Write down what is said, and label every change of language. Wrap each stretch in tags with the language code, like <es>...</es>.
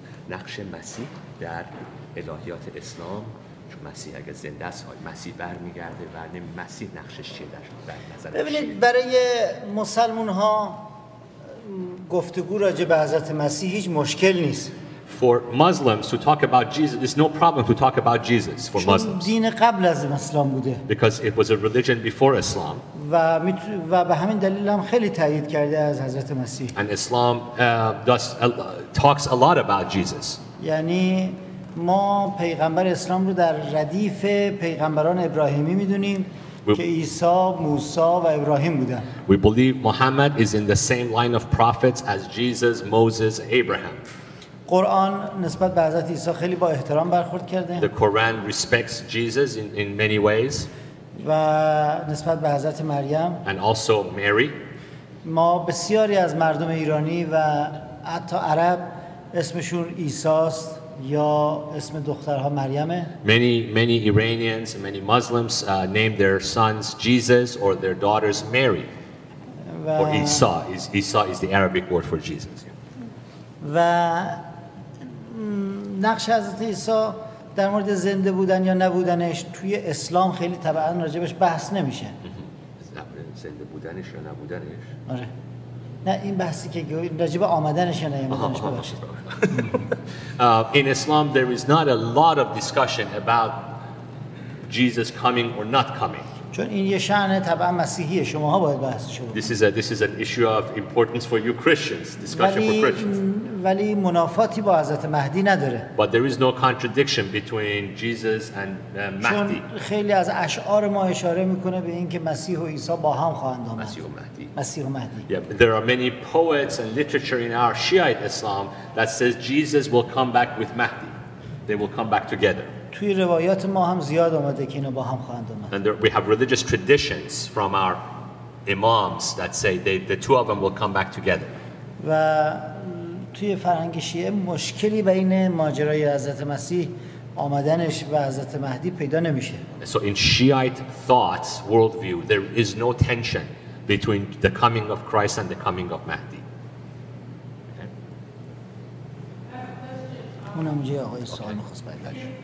<fa>نقش مسیح در الهیات اسلام، چون مسیح اگه زنده است مسیح برمیگرده و نه مسیح نقشش چیه در نظر ببینید شیه. برای مسلمون ها گفتگو راجع به حضرت مسیح هیچ مشکل نیست.</fa> <en>For Muslims to talk about Jesus, it's no problem to talk about Jesus for Muslims.</en> <fa>دین قبل از اسلام بوده.</fa> <en>Because it was a religion before Islam.</en> <fa>و به همین دلیل هم خیلی تایید کرده از حضرت مسیح.</fa> <en>And Islam does talks a lot about Jesus.</en> <fa>یعنی ما پیغمبر اسلام رو در ردیف پیغمبران ابراهیمی میدونیم که عیسی، موسی و ابراهیم بودن.</fa> <en>We believe Muhammad is in the same line of prophets as Jesus, Moses, Abraham.</en> <fa>قرآن نسبت به حضرت عیسی خیلی با احترام برخورد کرده.</fa> <en>The Quran respects Jesus in many ways.</en> <fa>و نسبت به حضرت مریم.</fa> <en>And also Mary.</en> <fa>ما بسیاری از مردم ایرانی و حتی عرب اسمشون عیسی است یا اسم دخترها مریمه.</fa> <en>Many Iranians, many Muslims name their sons Jesus or their daughters Mary. Or Isa is the Arabic word for Jesus.</en> <fa>و نقش حضرت عیسی در مورد زنده بودن یا نبودنش توی اسلام خیلی طبعا راجبش بحث نمیشه. زنده بودنش یا نبودنش؟ آره. نه این بحثی که راجب آمدنش یا نیامدنش ببخشید.</fa> <en>In Islam there is not a lot of discussion about Jesus coming or not coming.</en> <fa>چون این یه شأن طبعا مسیحیه، شماها باید بحث شود.</fa> <en>This is an issue of importance for you Christians, discussion for Christians.</en> <fa>ولی منافاتی با حضرت مهدی نداره.</fa> <en>But there is no contradiction between Jesus and Mahdi.</en> <fa>چون خیلی از اشعار ما اشاره میکنه به این که مسیح و عیسی با هم خواهند آمد. مسیح و مهدی.</fa> <en>Yeah, there are many poets and literature in our Shiite Islam that says Jesus will come back with Mahdi. They will come back together.</en> <fa>توی روایات ما هم زیاد اومده که اینا با هم خواهند آمد.</fa> <en>And there, we have religious traditions from our imams that say the two of them will come back together.</en> <fa>و توی فرهنگ شیعه مشکلی بین ماجرای حضرت مسیح آمدنش و حضرت مهدی پیدا نمیشه.</fa> <en>So in Shiite thoughts worldview there is no tension between the coming of Christ and the coming of Mahdi.</en> <fa>من هم جای آقای سوال می‌خواست بگم.</fa>